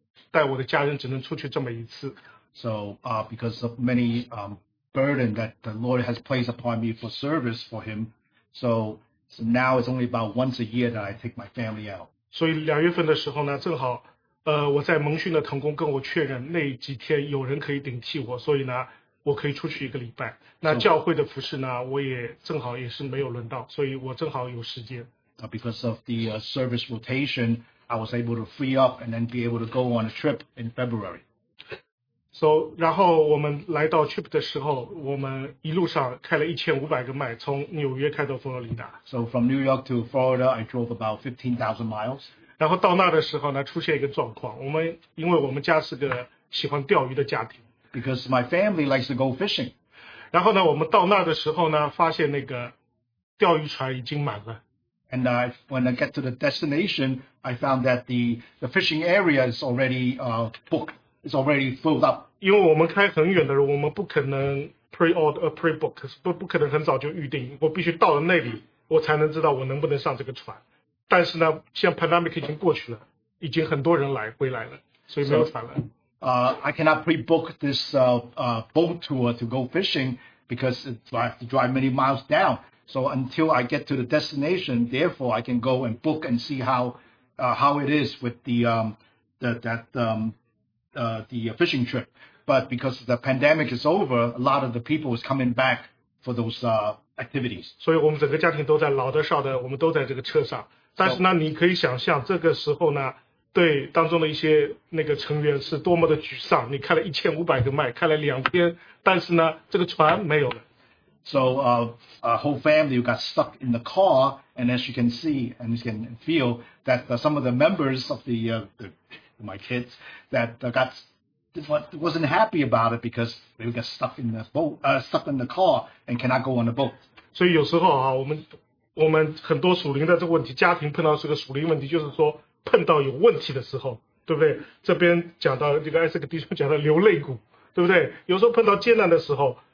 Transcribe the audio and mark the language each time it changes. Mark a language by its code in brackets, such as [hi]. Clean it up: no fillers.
[zh] 带我的家人只能出去这么一次。 [en] So, because of many burden that the Lord has placed upon me for service for Him, so now it's only about once a year that I take my family out. [zh] 所以两月份的时候呢，正好，我在蒙训的同工跟我确认那几天有人可以顶替我，所以呢，我可以出去一个礼拜。那教会的服事呢，我也正好也是没有轮到，所以我正好有时间。 [en] Because of the service rotation, I was able to free up and then be able to go on a trip in February. So, [zh] 然后我们来到 trip 的时候，我们一路上开了1500个迈，从纽约开到佛罗里达。 [en] So from New York to Florida, I drove about 15,000 miles. [zh] 然后到那的时候呢，出现一个状况，我们因为我们家是个喜欢钓鱼的家庭。 [en] Because my family likes to go fishing. [zh] 然后呢，我们到那的时候呢，发现那个钓鱼船已经满了。 [en] And I, when I get to the destination, I found that the fishing area is already booked. It's already filled up. [zh] 因为我们开很远的人，我们不可能 pre-book， 不可能很早就预定。我必须到了那里，我才能知道我能不能上这个船。但是呢，现在 pandemic 已经过去了，已经很多人来回来了，所以没有船了。 [en] I cannot pre-book this boat tour to go fishing because I have to drive many miles down. So until I get to the destination, therefore I can go and book and see how it is with the fishing trip. But because the pandemic is over, a lot of the people is coming back for those activities. [zh] 所以我们整个家庭都在老的少的，我们都在这个车上。但是呢，你可以想象这个时候呢，对当中的一些那个成员是多么的沮丧。你开了1500个迈，开了两天，但是呢，这个船没有了。 [en] So a whole family got stuck in the car, and as you can see and you can feel that some of the members of my kids that wasn't happy about it because they got stuck in the boat, stuck in the car and cannot go on the boat. [zh] 所以有时候啊，我们很多属灵的这个问题，家庭碰到是个属灵问题，就是说碰到有问题的时候，对不对？这边讲到这个艾斯克弟兄讲到流泪谷，对不对？有时候碰到艰难的时候。